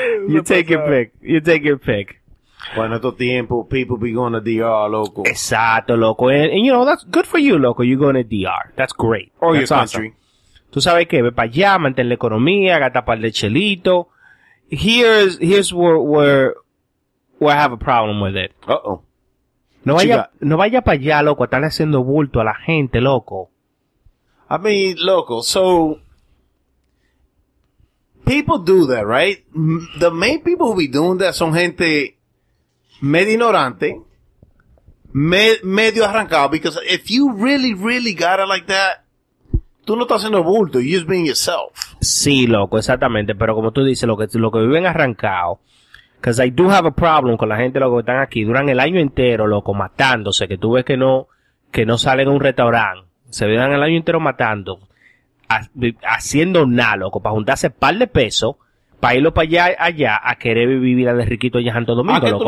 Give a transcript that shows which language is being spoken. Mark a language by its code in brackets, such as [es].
[en] You take your pick, you take your pick. [es] Bueno, estos tiempos, [en] people be going to DR, [es] loco. Exacto, loco. [en] And you know, that's good for you, loco. You going to DR. That's great. Or that's your country. Awesome. [es] Tú sabes que ve para allá, mantén la economía, gata para el chelito. [en] Here's where I have a problem with it. Uh-oh. [es] No vaya para allá, loco. Están haciendo bulto a la gente, loco. [en] I mean, loco, so... People do that, right? The main people who be doing that [es] son gente... Medio ignorante, medio arrancado, [en] because if you really, really got it like that, [es] tú no estás haciendo bulto, [en] you're just being yourself. [es] Sí, loco, exactamente, pero como tú dices, lo que viven arrancado, [en] because I do have a problem [es] con la gente, loco, que están aquí, duran el año entero, loco, matándose, que tú ves que no salen a un restaurante, se viven el año entero matando, haciendo nada, loco, para juntarse un par de pesos, para irlo para allá, a querer vivir vida de riquito allá en Santo Domingo, loco.